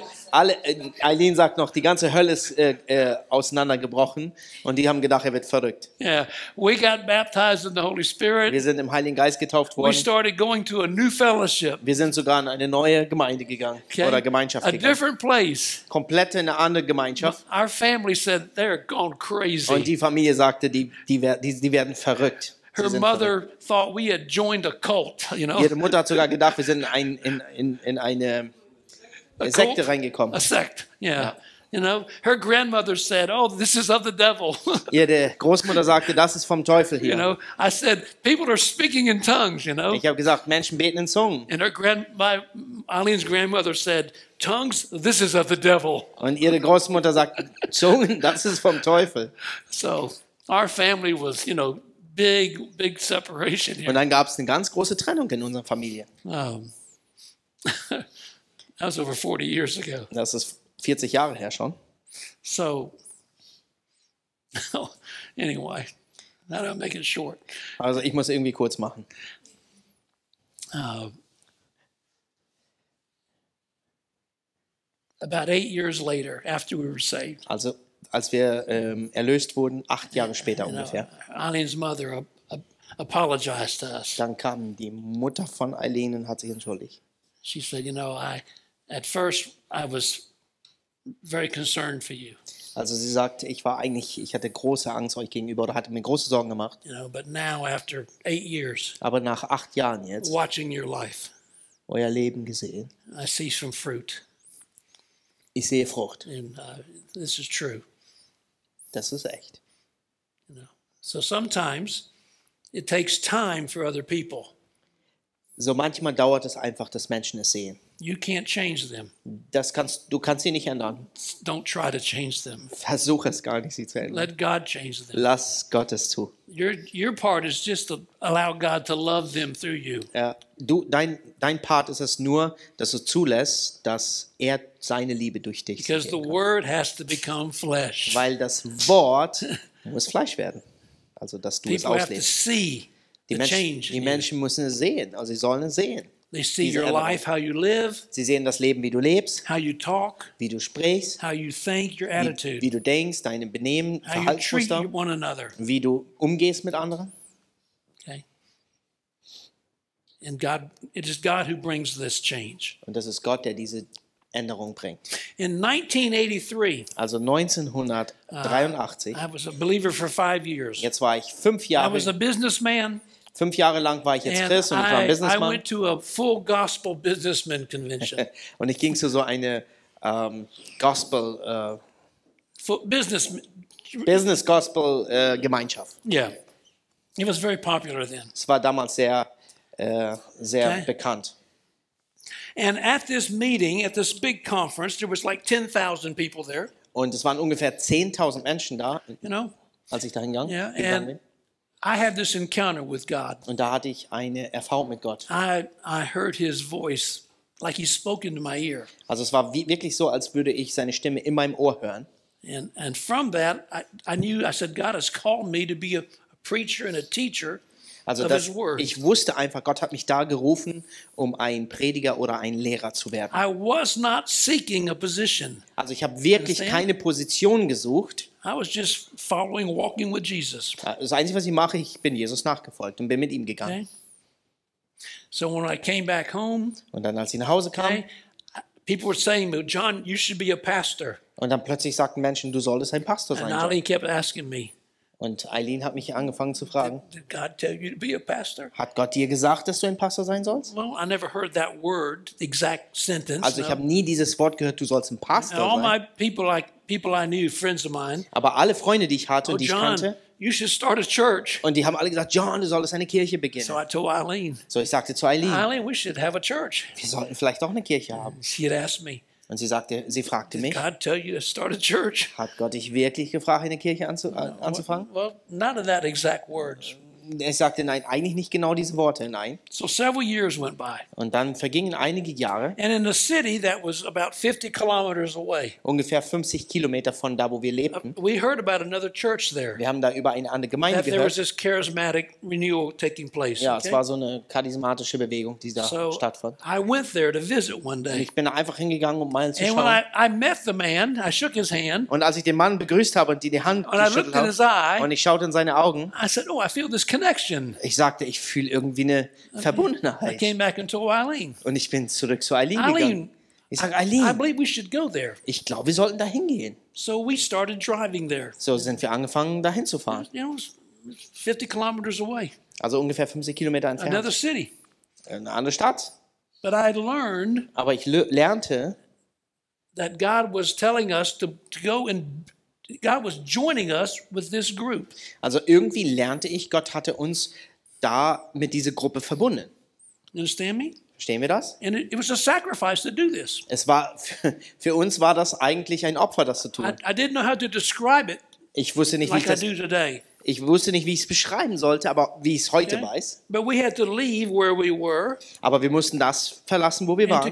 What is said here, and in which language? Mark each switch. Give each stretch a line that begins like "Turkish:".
German: Eileen sagt noch, die ganze Hölle ist auseinandergebrochen und die haben gedacht, er wird verrückt.
English: Yeah, we got baptized in the Holy Spirit.
German: Wir sind im Heiligen Geist getauft worden.
English: We started going to a new fellowship.
German: Wir sind sogar in eine neue Gemeinde gegangen okay. Oder Gemeinschaft a gegangen.
English: A different place.
German: Komplett in eine andere Gemeinschaft.
English: Our family said they're gone crazy.
German: Und die Familie sagte, die werden verrückt.
English: Her mother thought we had joined a cult, you know.
German: Ihre Mutter hat sogar gedacht, wir sind in eine a Sekte reingekommen.
English: A sect, yeah. You know, her grandmother said, "Oh, this is of the devil."
German: Ihre Großmutter sagte, das ist vom Teufel hier.
English: You know, I said, "People are speaking in tongues." You know.
German: Ich habe gesagt, Menschen beten in Zungen.
English: And her Eileen's grandmother said, "Tongues, this is of the devil."
German: Und ihre Großmutter sagt, Zungen, das ist vom Teufel.
English: So, our family was, you know, big separation. Here.
German: Und dann gab es eine ganz große Trennung in unserer Familie.
English: That was over 40 years ago.
German: Das ist 40 Jahre her schon.
English: So, anyway, now I'm making it short.
German: Also ich muss irgendwie kurz machen.
English: About 8 years later, after we were saved.
German: Also als wir erlöst wurden, 8 Jahre später
English: you know,
German: ungefähr.
English: Eileen's mother apologized to us.
German: Dann kam die Mutter von Eileen und hat sich entschuldigt.
English: She said, you know, at first, I was very concerned for you.
German: Also, sie sagt, ich hatte große Angst euch gegenüber oder hatte mir große Sorgen gemacht.
English: You know, but now after 8 years,
German: aber nach 8 Jahren jetzt,
English: watching your life,
German: euer Leben gesehen,
English: I see some fruit.
German: Ich sehe Frucht.
English: And this is true.
German: Das ist echt.
English: You know, so sometimes it takes time for other people.
German: So manchmal dauert es einfach, dass Menschen es sehen.
English: You can't change them.
German: Du kannst sie nicht ändern.
English: Don't try to change them.
German: Versuch es gar nicht, sie zu ändern.
English: Let God change them.
German: Lass Gott es zu.
English: Your part is just to allow God to love them through you.
German: Dein Part ist es nur, dass du zulässt, dass seine Liebe durch dich.
English: Because the word has to become flesh.
German: Weil das Wort muss Fleisch werden. Also dass du
English: people
German: es auslebst.
English: Have to see
German: die Menschen müssen es sehen, also sie sollen es sehen.
English: They see your life, how you live.
German: Sie sehen das Leben, wie du lebst.
English: How you talk.
German: Wie du sprichst.
English: How you think, your attitude.
German: Wie du denkst, deine Benehmen, Verhaltensmuster.
English: How you treat one another.
German: Wie du umgehst mit anderen.
English: Okay. And God, it is God who brings this change.
German: Und das ist Gott, der diese Änderung bringt.
English: In 1983.
German: Also 1983.
English: I was a believer for 5 years.
German: Jetzt war ich 5 Jahre.
English: I was a businessman.
German: 5 Jahre lang war ich jetzt Christ und ich war ein Businessman.
English: I went to a full gospel businessman convention.
German: Und ich ging zu so eine Gospel
English: Business
German: Gospel Gemeinschaft.
English: Yeah, it was very popular then.
German: Es war damals sehr sehr okay. Bekannt.
English: And at this meeting, at this big conference, there was like 10,000 people there.
German: Und es waren ungefähr 10.000 Menschen da, als ich dahin gegangen bin.
English: I had this encounter with God.
German: Und da hatte ich eine Erfahrung mit Gott.
English: I heard his voice like he spoke into my ear.
German: Also es war wirklich so, als würde ich seine Stimme in meinem Ohr hören.
English: And from that I knew, I said, God has called me to be a preacher and a teacher.
German: Also das, ich wusste einfach, Gott hat mich da gerufen, um ein Prediger oder ein Lehrer zu werden.
English: I was not seeking a position.
German: Also ich habe wirklich keine Position gesucht.
English: I was just following, walking with Jesus.
German: Das Einzige, was ich mache, ich bin Jesus nachgefolgt und bin mit ihm gegangen.
English: So when I came back home,
German: und dann, als ich nach Hause kam,
English: people were saying, John, you should be a pastor.
German: Und dann plötzlich sagten Menschen, du solltest ein Pastor sein.
English: And Eileen kept asking me,
German: und Eileen hat mich angefangen zu fragen,
English: did God tell you to be a pastor?
German: Hat Gott dir gesagt, dass du ein Pastor sein sollst?
English: Well, I never heard that word, the exact sentence.
German: Also ich habe nie dieses Wort gehört, du sollst ein Pastor sein.
English: All my people I knew, friends of mine,
German: aber alle Freunde, die ich hatte und die John, ich kannte,
English: you should start a church.
German: Und die haben alle gesagt, John, du solltest eine Kirche beginnen.
English: So I told Eileen,
German: so ich sagte zu Eileen,
English: Eileen, we should have a church.
German: Wir sollten vielleicht doch eine Kirche haben.
English: She had asked me,
German: und sie sagte, sie fragte mich,
English: God tell you to start a church?
German: Hat Gott dich wirklich gefragt, eine Kirche anzufangen?
English: Well, none of that exact words.
German: Er sagte, nein, eigentlich nicht genau diese Worte, nein.
English: So several years went by.
German: Und dann vergingen einige Jahre.
English: And in a city that was about 50 kilometers away.
German: Ungefähr 50 Kilometer von da, wo wir lebten.
English: We heard about another church there.
German: Wir haben da über eine andere Gemeinde gehört.
English: That there was this charismatic renewal taking place.
German: Ja, okay? Es war so eine charismatische Bewegung, die da so stattfand.
English: I went there to visit one day.
German: Und ich bin da einfach hingegangen, um mal zu schauen.
English: And when I met the man, I shook his hand.
German: Und als ich den Mann begrüßt habe und die Hand
English: and
German: geschüttelt habe,
English: I looked in his eye,
German: und ich schaute in seine Augen,
English: I said, oh, I feel this.
German: Ich sagte, ich fühle irgendwie eine Verbundenheit.
English: I came back and told Eileen.
German: Und ich bin zurück zu Eileen gegangen. Ich sage, Eileen,
English: I believe we should go there.
German: Ich glaube, wir sollten da hingehen.
English: So we started driving there.
German: So sind wir angefangen, da hinzufahren.
English: You know, 50 kilometers away.
German: Also ungefähr 50 Kilometer entfernt.
English: Another city.
German: Eine andere Stadt.
English: But I learned,
German: aber ich lernte,
English: that God was telling us to go and God was joining us with this group.
German: Also irgendwie lernte ich, Gott hatte uns da mit dieser Gruppe verbunden.
English: Understand me?
German: Verstehen wir das?
English: And it was a sacrifice to do this.
German: Es war für uns war das eigentlich ein Opfer, das zu tun.
English: I didn't know how to describe it.
German: Ich wusste nicht,
English: like
German: wie ich
English: I do today.
German: Ich wusste nicht, wie ich es beschreiben sollte, aber wie ich es heute weiß.
English: But we had to leave where we were,
German: aber wir mussten das verlassen, wo wir waren.